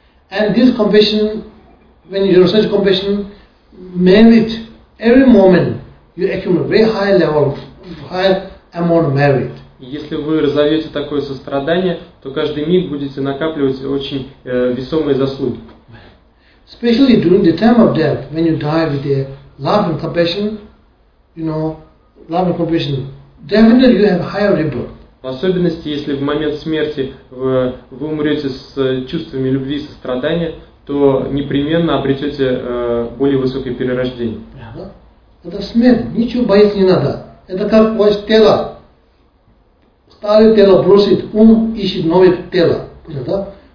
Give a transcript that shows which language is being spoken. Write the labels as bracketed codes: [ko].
[en] And this compassion, when you research compassion, merit, every moment you accumulate very high level, high amount of merit. [ru] Если вы разовьете такое сострадание, то каждый миг будете накапливать очень весомые заслуги. [en] Especially during the time of death, when you die with the love and compassion, you know, love and compassion, definitely you have higher rebirth. [ru] В особенности, если в момент смерти вы умрете с чувствами любви и сострадания, то непременно обретете более высокое перерождение. Это смерть. Ничего бояться не надо. Это как ваше тело. Старое тело бросит, ум ищет новое тело. Понятно?